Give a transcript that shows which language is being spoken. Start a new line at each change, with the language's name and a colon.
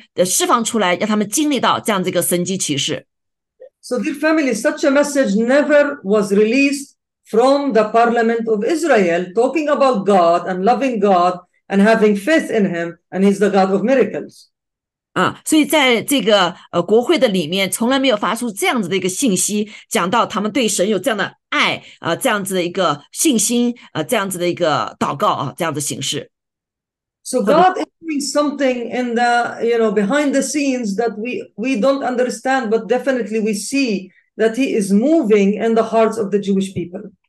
Chinese: 所以这个女士的讲话的里面就讲到说，这样的被触摸到，看到这样的一个母亲有这样子的信心啊、这样子的一个爱心啊、这样子的一个大的能力的祷告，能够将她的女儿释放出来，让他们经历到这样子一个神迹奇事。
English: So dear family, such a message never was released from the parliament of Israel, talking about God and loving God and having faith in him, and he's the God of miracles.
Chinese: 所以在这个国会的里面，从来没有发出这样子的一个信息，讲到他们对神有这样的爱啊、这样子的一个信心啊、这样子的一个祷告啊、这样的形式。
English: So God is doing something in the, you know, behind the scenes that we don't understand, but definitely we see that he is moving in the hearts of the Jewish people.